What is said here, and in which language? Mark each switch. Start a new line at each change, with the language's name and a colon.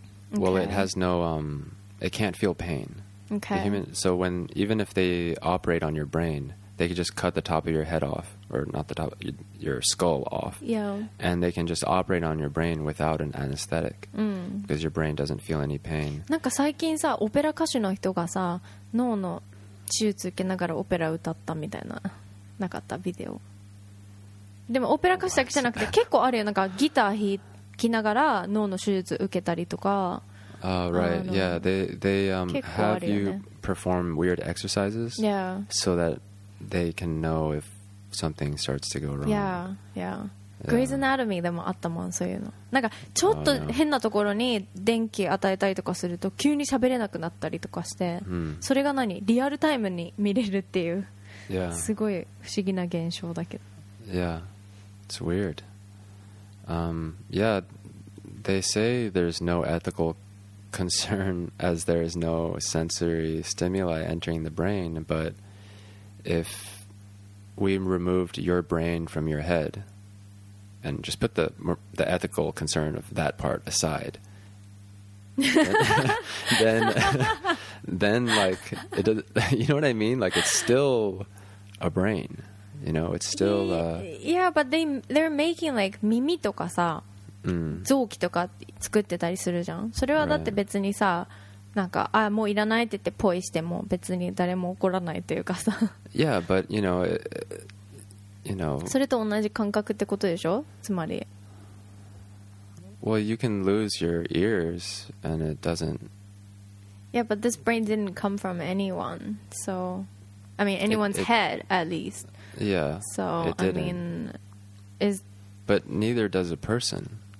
English: okay. Well it has no it can't feel pain Okay. So when even if they operate on your brainThey could just cut the top of your head off, or not the top, your skull off. Yeah. And they can just operate on your brain without an anesthetic. Because your brain doesn't feel any pain.
Japanese: なんか最近さ、オペラ歌手の人がさ、脳の手術受けながらオペラ歌ったみたいな、なかったビデオ。でもオペラ歌手だけじゃなくて、結構あるよ。なんかギター弾きながら脳の手術受けたりとか。
English: Right. Yeah. They have you perform weird exercises. Yeah. So that... They can know if something starts to go wrong.
Japanese: Yeah, yeah. Grey's Anatomy でもあったもん、そういうの。なんかちょっと変なところに電気与えたりとかすると急に喋れなくなったりとかして、それが何？リアルタイムに見れるっていう、すごい不思議な現象だけど。
English: Yeah, it's weird. Yeah, they say there's no ethical concern as there is no sensory stimuli entering the brain, but... If we removed your brain from your head and just put the ethical concern of that part aside, then like, it does, you know what I mean? Like, it's still a brain, you know? It's still... Yeah, but they're making, like,
Japanese: 耳とかさ、臓器とか作ってたりするじゃん。それはだって別にさ、なんかあもういらないって言ってポイしても別に誰も怒らないというかさ。
English: Yeah, but you know.
Japanese: それと同じ感覚ってことでしょ？つまり。
English: Well, you can lose your ears and it doesn't. Yeah, but this brain didn't come from anyone. So, I mean, anyone's head at least. Yeah. So it didn't. I mean, is. But neither does a person.